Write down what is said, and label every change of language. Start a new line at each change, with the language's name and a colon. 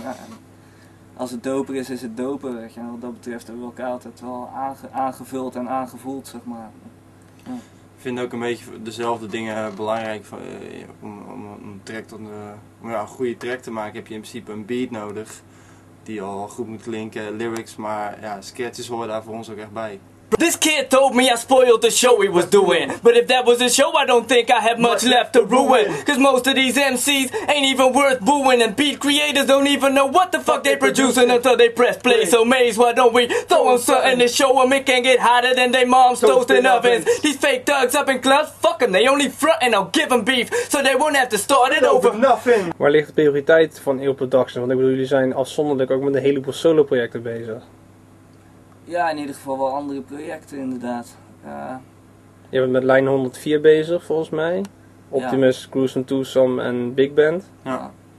Dutch: Ja, en als het doper is, is het doper. Weet je. En wat dat betreft hebben we elkaar altijd wel aangevuld en aangevoeld, zeg maar. Ja. Ik vind ook een beetje dezelfde dingen belangrijk om een track tot een goede track te maken. Heb je in principe een beat nodig die al goed moet klinken, lyrics, maar ja, sketches horen daar voor ons ook echt bij.
English: This kid told me I spoiled the show he was doing. But if that was a show, I don't think I have much left to ruin. Cause most of these MCs ain't even worth booing. And beat creators don't even know what the fuck they producing until they press play. So Maze, why don't we throw them something to show them it can't get hotter than they mom's toast in ovens. These fake thugs up in clubs, fuck them, they only front and I'll give them beef. So they won't have to start it over nothing.
Dutch: Waar ligt de prioriteit van Eel Production? Want ik bedoel, jullie zijn afzonderlijk ook met een heleboel solo projecten bezig. Ja, in ieder geval wel andere projecten inderdaad. Je bent met lijn 104 bezig volgens mij. Optimus, ja. Cruise and Twosome en Big Band. Ja.